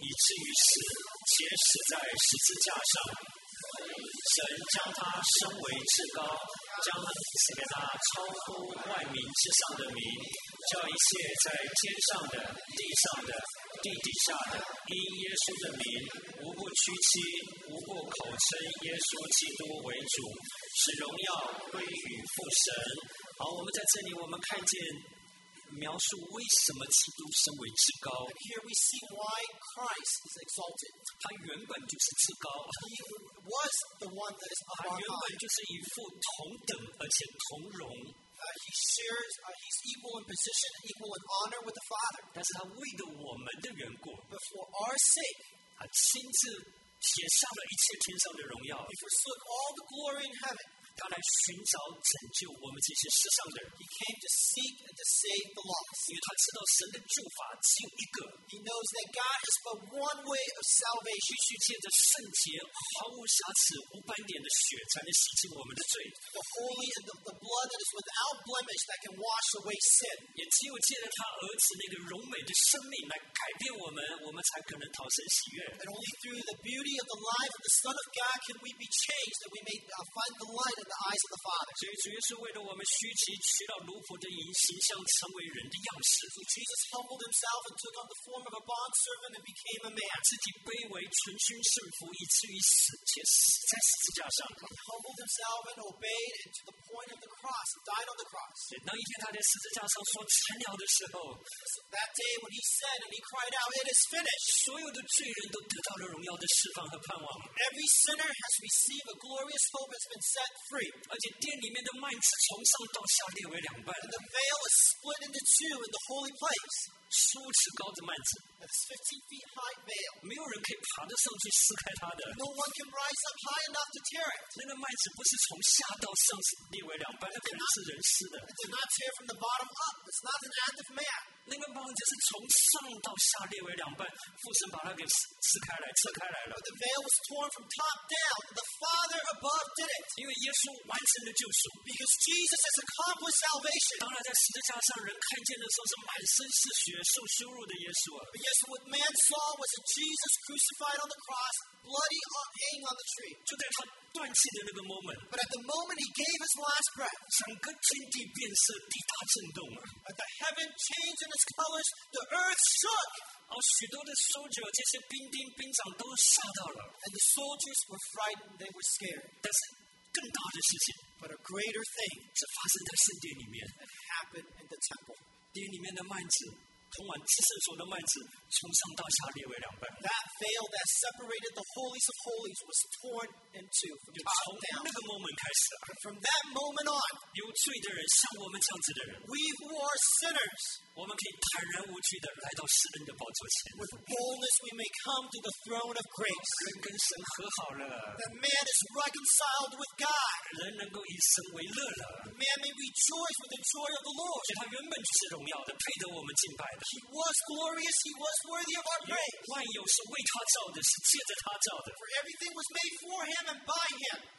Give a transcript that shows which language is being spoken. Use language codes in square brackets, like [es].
[zh] 他本有神的形象，不以自己与神同等为强夺的，反倒虚己，取了奴仆的形象，成为人的样式。既有人的样子，就自己卑微，全心顺服，以至于死，且死在十字架上。神将他升为至高，将赐给他超乎万民之上的名，叫一切在天上的、地上的、地底下的，因耶稣的名，无不屈膝，无不口称耶稣基督为主，使荣耀归于父神。好，我们在这里，我们看见。描述为什么基督身为至高？ [en] Here we see why Christ is exalted. [zh] 他原本就是至高。 [en] He was the one that is above all. [zh] 他原本就是与父同等而且同荣。 [en] He's equal in position, equal in honor with the Father. [zh] 但是他为了我们的缘故。 [en] But for our sake, [zh] 他亲自写下了一切天上的荣耀。 [en] He forsook all the glory in heaven. [zh] 他来寻找拯救我们这些世上的人。 [en] He came to seek and to save the lost. [zh] 因为他知道神的救法只有一个。 [en] He knows that God is but one way of salvation. [zh] 必须借着圣洁、毫无瑕疵、无斑点的血，才能洗净我们的罪。 [en] The holy and the blood that is without blemish that can wash away sin. [zh] 也只有借着他儿子那个荣美的生命来改变我们，我们才可能讨神喜悦。 [en] And only through the beauty of the life of the Son of God can we be changed, that we may find the light in the eyes of the Father. [zh] 所以主耶稣为了我们虚己，取到奴仆的形象，成为人的样式。 [en] So Jesus humbled himself and took on the form of a bond servant and became a man. [zh] 自己卑微，存心顺服，以至于死，且死在十字架上。 [en] He humbled himself and obeyed and to the point of the cross, died on the cross. [zh] 当一天他在十字架上说成了的时候 [en] ，That day when he said and he cried out, "It is finished." [zh] 所有的罪人都得到了荣耀的释放和盼望。 [en] Every sinner has received a glorious hope has been set free. [zh] 而且殿里面的幔子从上到下裂为两半。 [en] The veil is split into two in the holy place. [zh] 数尺高的幔子。 [en] It's 15 feet high veil. [zh] 没有人可以爬得上去撕开它的。 [en] No one can rise up high enough to tear it. [zh] 那个幔子不是从下到上裂为两半，那可能是人撕的。 [en] It did not tear from the bottom up. It's not an act of man. [zh] 那个幔子是从上到下裂为两半，父神把它给撕开来、扯开来了。 [en] But the veil was torn from top down. The Father above did it. [zh] 因为耶稣完成了救赎。 [en] Because Jesus has accomplished salvation. [zh] 当然，在十字架上，人看见的时候是满身是血、受羞辱的耶稣。 [en] So what man saw was a Jesus crucified on the cross, bloody hanging on the tree. [zh] 就在他断气的那个 moment. [en] But at the moment he gave his last breath, [zh] 整个天地变色，地大震动啊。 [en] But the heaven changed in its colors, the earth shook. [zh] 而许多的 soldier, 这些兵丁兵长都吓到了。 [en] And the soldiers were frightened, they were scared. [zh] 但是更大的事情 [en] ，But a greater thing, [zh] 是发生在圣殿里面。 [en] It happened in the temple. [zh] 殿里面的幔子。通往至圣所的幔子从上到下裂为两半。 [en] That veil that separated the holies of holies was torn in two from top down. [zh] 就从那个 moment 开始。 [en] From that moment on, [zh] 有罪的人，像我们这样子的人 [en] ，we who are sinners, [zh] 我们可以坦然无惧的来到施恩的宝座前。 [en] With boldness, we may come to the throne of grace. [zh] 人跟神和好了。 [en] That man is reconciled with God. [zh] 人能够以神为乐了。 [en] Man may rejoice with the joy of the Lord. [zh] 他原本就是荣耀的，配得我们敬拜。 [en] He was glorious. He was worthy of our praise. For everything was made for him and by him.